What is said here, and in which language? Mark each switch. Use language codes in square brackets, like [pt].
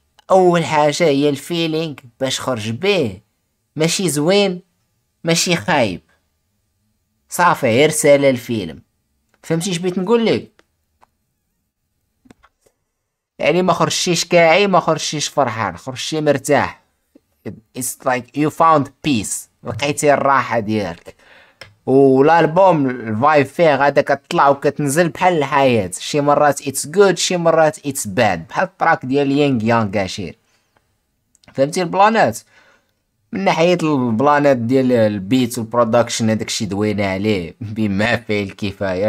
[ar] اول حاجه هي الفيلينغ باش خرج به، ماشي زوين ماشي خايب، صافي غير رساله الفيلم. فهمتي اش بغيت نقول لك؟ يعني ما خرجتيش كاعي ما خرجتيش فرحان، خرجتي مرتاح. [en] It's like you found peace، [ar] لقيتي الراحه ديالك. والالبوم الفايب فيه غادا كطلع وكتنزل بحال الحياه، شي مرات [en] it's good [ar] شي مرات [en] it's bad, [ar] بحال التراك ديال يانغ يانغ عشير. فهمتي البلانات؟ من ناحيه البلانات ديال البيت والبرودكشن هذاك الشيء دوينا عليه بما فيه الكفايه.